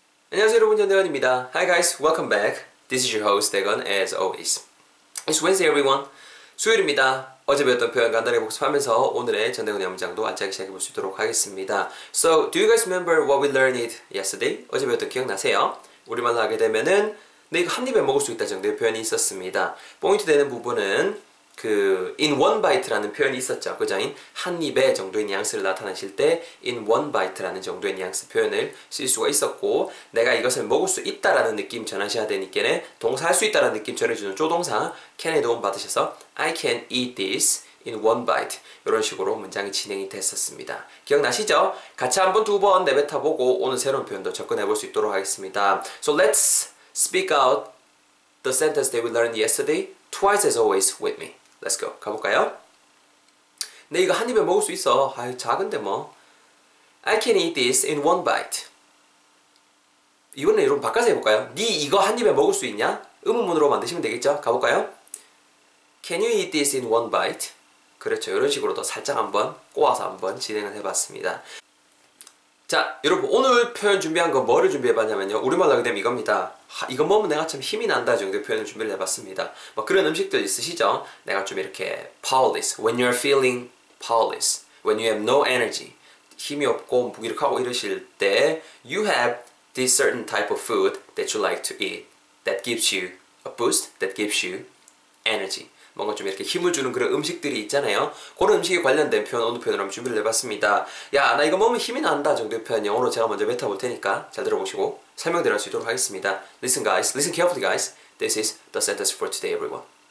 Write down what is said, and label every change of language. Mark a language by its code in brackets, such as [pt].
[ko] 안녕하세요 여러분, 전대건입니다. [en] Hi guys, welcome back. This is your host, 대건, as always. It's Wednesday, everyone. [ko] 수요일입니다. 어제 배웠던 표현 간단히 복습하면서 오늘의 전대건의 문장도 알차게 시작해 볼 수 있도록 하겠습니다. [en] So, do you guys remember what we learned yesterday? [ko] 어제 배웠던 기억나세요? 우리말로 하게 되면은 네, 이거 한 입에 먹을 수 있다 정도의 표현이 있었습니다. 포인트 되는 부분은 그 [en] in one bite [ko] 라는 표현이 있었죠. 그죠? 한 입에 정도의 뉘앙스를 나타내실 때 [en] in one bite [ko] 라는 정도의 뉘앙스 표현을 쓸 수가 있었고 내가 이것을 먹을 수 있다라는 느낌 전하셔야 되니까 동사 할 수 있다라는 느낌 전해주는 조동사 can에 도움받으셔서 [en] I can eat this in one bite [ko] 이런 식으로 문장이 진행이 됐었습니다. 기억나시죠? 같이 한번 두 번 내뱉어보고 오늘 새로운 표현도 접근해볼 수 있도록 하겠습니다. [en] So let's speak out the sentence that we learned yesterday twice as always with me. Let's go. [ko] 가볼까요? 네, 이거 한 입에 먹을 수 있어. 아유, 작은데 뭐. [en] I can eat this in one bite. [ko] 이번에 여러분 바꿔서 해볼까요? 네 이거 한 입에 먹을 수 있냐? 의문문으로 만드시면 되겠죠? 가볼까요? [en] Can you eat this in one bite? [ko] 그렇죠. 이런 식으로도 살짝 한번 꼬아서 한번 진행을 해봤습니다. 자, 여러분 오늘 표현 준비한 거 뭐를 준비해봤냐면요. 우리말로 하게 되면 이겁니다. 하, 이거 먹으면 내가 참 힘이 난다 정도의 표현을 준비를 해봤습니다. 뭐 그런 음식들 있으시죠? 내가 좀 이렇게 [en] powerless, when you're feeling powerless, when you have no energy, [ko] 힘이 없고 무기력하고 이러실 때 [en] you have this certain type of food that you like to eat that gives you a boost, that gives you energy. [ko] 뭔가 좀 이렇게 힘을 주는 그런 음식들이 있잖아요. 그런 음식에 관련된 표현, 오늘 표현을 한번 준비를 해봤습니다. 야, 나 이거 먹으면 힘이 난다 정도의 표현 영어로 제가 먼저 뱉어볼 테니까 잘 들어보시고 설명드릴 수 있도록 하겠습니다. [en] Listen guys, listen carefully guys. This is the sentence for today everyone.